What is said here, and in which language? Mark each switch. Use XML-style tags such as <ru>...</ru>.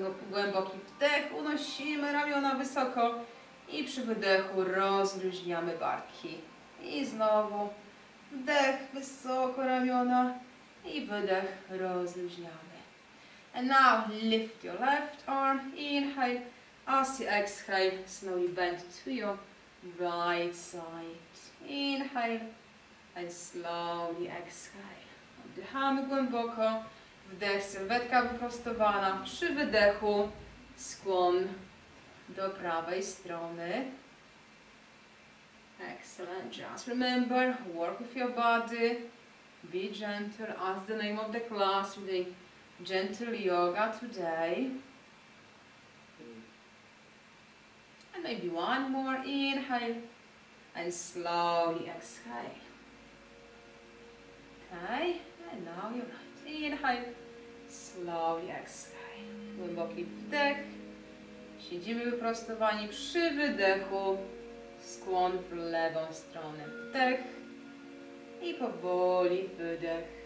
<pl>Głęboki wdech, unosimy ramiona wysoko. I przy wydechu rozluźniamy barki. I znowu. Wdech, wysoko ramiona i wydech, rozluźniamy.</pl> <en>And now lift your left arm, inhale, as you exhale, slowly bend to your right side. Inhale and slowly exhale.</en> <pl>Oddychamy głęboko, wdech, sylwetka wyprostowana, przy wydechu skłon do prawej strony.</pl> <en>Excellent. Just remember, work with your body, be gentle, as the name of the class, we're doing gentle yoga today. And maybe one more, inhale, and slowly exhale. Okay, and now you're right, inhale, slowly exhale.</en> <pl>Głęboki wdech, siedzimy wyprostowani przy wydechu. Skłon w lewą stronę, wdech i powoli wydech.</pl>